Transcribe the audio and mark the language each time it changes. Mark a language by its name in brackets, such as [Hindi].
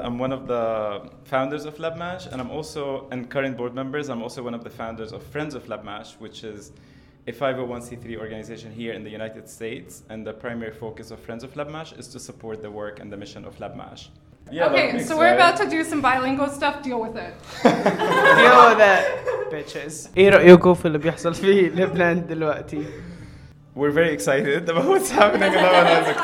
[English] I'm one of the founders of LebMASH, and I'm also, and current board members, I'm also one of the founders of Friends of LebMASH, which is a 501c3 organization here in the United States. And the primary focus of Friends of LebMASH is to support the work and the mission of LebMASH. Yeah, okay, so we're about to do some bilingual stuff. Deal with it. Deal with it, bitches. [Arabic] إيه رأيكم في اللي بيحصل في لبنان دلوقتي؟ [English] We're very excited about what's happening in Lebanon.